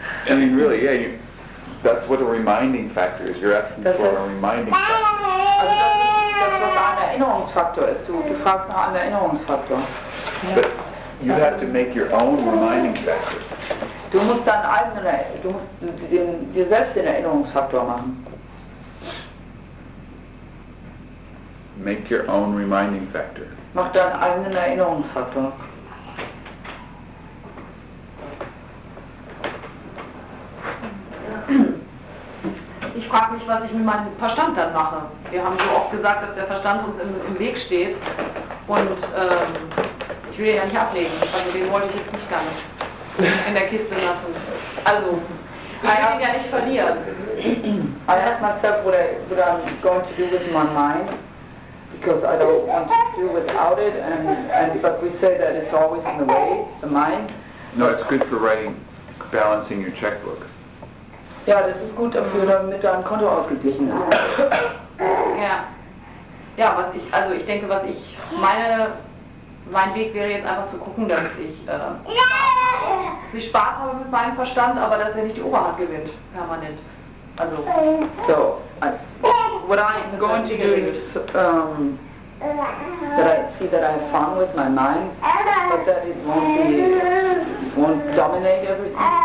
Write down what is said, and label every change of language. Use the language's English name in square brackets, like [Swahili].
[English] I mean, really, yeah, you, that's what a reminding factor is. You're asking [German] das [English] for a reminding factor. But you have to make your own reminding factor. [German] Du musst deinen eigenen, du musst dir selbst den Erinnerungsfaktor machen. [English] Make your own reminding factor. [German] Mach deinen eigenen Erinnerungsfaktor. Ich frage mich, was ich mit meinem Verstand dann mache. Wir haben so oft gesagt, dass der Verstand uns im Weg steht. Und ich will ihn ja nicht ablegen. Also den wollte ich jetzt nicht ganz in der Kiste lassen. Also, ich will ihn ja nicht verlieren. [English] I ask myself what I'm going to do with my mind. Because I don't want to do without it. And but we say that it's always in the way, the mind. No, it's good for writing, balancing your checkbook. [German] Ja, das ist gut dafür, damit dein Konto ausgeglichen ist. Ja. Ja, was ich, also ich denke, was ich meine, mein Weg wäre jetzt einfach zu gucken, dass ich Spaß habe mit meinem Verstand, aber dass er nicht die Oberhand gewinnt, permanent. Also. [English] So, what I'm going to do is that I see that I have fun with my mind, but that it won't dominate everything.